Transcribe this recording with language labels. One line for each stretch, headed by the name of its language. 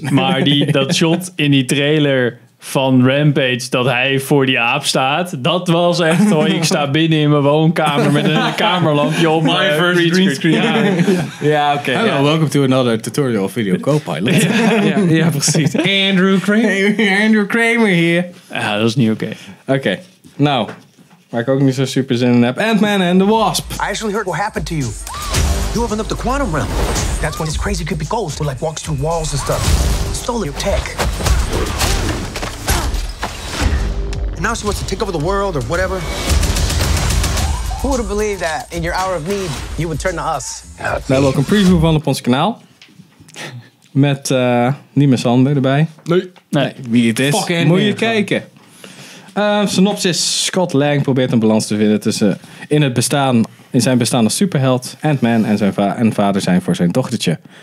Dutch: Maar dat shot in die trailer van Rampage, dat hij voor die aap staat, dat was echt, hoor, ik sta binnen in mijn woonkamer met een kamerlampje op
English: my first green screen.
Dutch: Ja, oké.
English: Hello, welcome to another tutorial of Video Copilot.
Dutch: Ja, precies. Andrew Kramer. Andrew Kramer hier. Ja, dat is niet oké. Oké. Nou, waar ik ook niet zo super zin in heb.
English: Ant-Man and the Wasp. I actually heard what happened to you. You opened up the quantum realm. That's when this crazy creepy ghost who like walks through walls and stuff. Stole your tech. Now she wants to take over the world or whatever. Who would have believed that in your hour of need, you would turn to us?
Dutch: We hebben ook een preview van op ons kanaal. Met niet meer Sander erbij. Nee. Wie het is, moet je kijken. Synopsis. Scott Lang probeert een balans te vinden tussen in zijn bestaan als superheld, Ant-Man en zijn vader zijn voor zijn dochtertje.